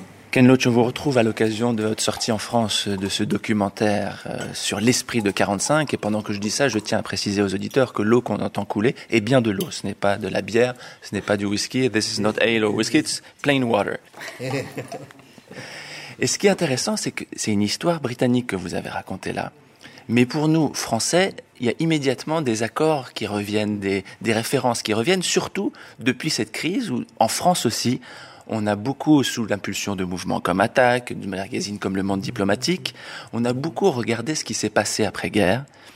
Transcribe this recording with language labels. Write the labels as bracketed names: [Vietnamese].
[French] Ken Loach, on vous retrouve à l'occasion de votre sortie en France de ce documentaire sur l'esprit de 45. Et pendant que je dis ça, je tiens à préciser aux auditeurs que l'eau qu'on entend couler est bien de l'eau. Ce n'est pas de la bière, ce n'est pas du whisky. [English] This is not ale or whisky, it's plain water. [French] Et ce qui est intéressant, c'est que c'est une histoire britannique que vous avez racontée là. Mais pour nous, Français, il y a immédiatement des accords qui reviennent, des références qui reviennent, surtout depuis cette crise où, en France aussi, on a beaucoup, sous l'impulsion de mouvements comme Attaque, de magazines comme Le Monde Diplomatique, on a beaucoup regardé ce qui s'est passé après-guerre.